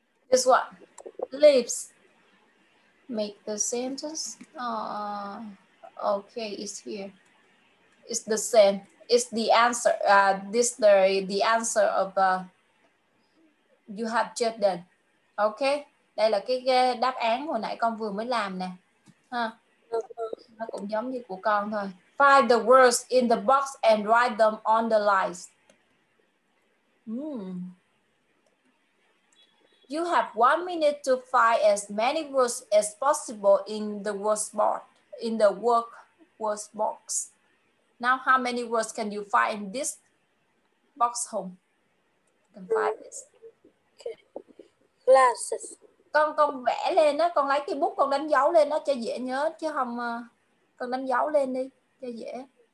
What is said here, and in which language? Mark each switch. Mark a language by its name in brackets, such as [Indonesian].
[English] This one, leaves. Make the sentence. Okay, it's here. It's the same. It's the answer. This the answer of you have just done. [Vietnamese] Okay, đây là cái đáp án hồi nãy con vừa mới làm nè. Nó cũng giống như của con thôi. [English] Find the words in the box and write them on the lines. You have 1 minute to find as many words as possible in the words box. In the words box. Now, how many words can you find in this box home? You can find this. Okay. Glasses. [Vietnamese] Con vẽ lên á, con lấy cái bút con đánh dấu lên á cho dễ nhớ chứ không con đánh dấu lên đi cho dễ.